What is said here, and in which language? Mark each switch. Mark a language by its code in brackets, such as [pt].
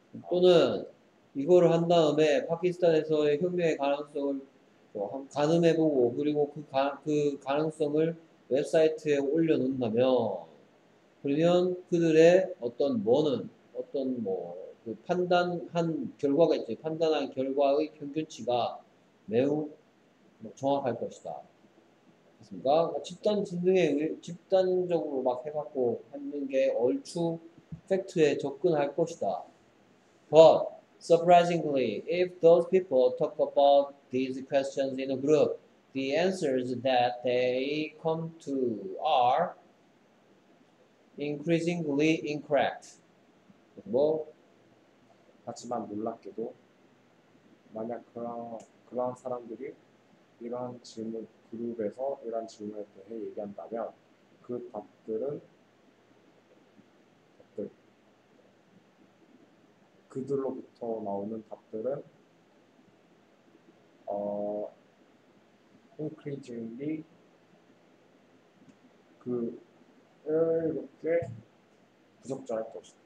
[ko] 또는 이거를 한 다음에 파키스탄에서의 혁명의 가능성을 뭐 가늠해보고 그리고 그 가능성을 웹사이트에 올려놓는다면 그러면 그들의 어떤 뭐는 어떤 뭐그 판단한 결과가 있지 판단한 결과의 평균치가 매우 정확할 것이다. 그렇습니까? 집단 진흥에 집단적으로 막 해갖고 하는 게 얼추 팩트에 접근할 것이다. [en] But surprisingly, if those people talk about these questions in a group, the answers that they come to are increasingly incorrect. [ko] 뭐? 하지만 놀랍게도 만약 그런 사람들이 이러한 질문 그룹에서 이러한 질문에 대해 얘기한다면 그 그들로부터 나오는 답들은 increasingly 그 이렇게 부적절할 것이다.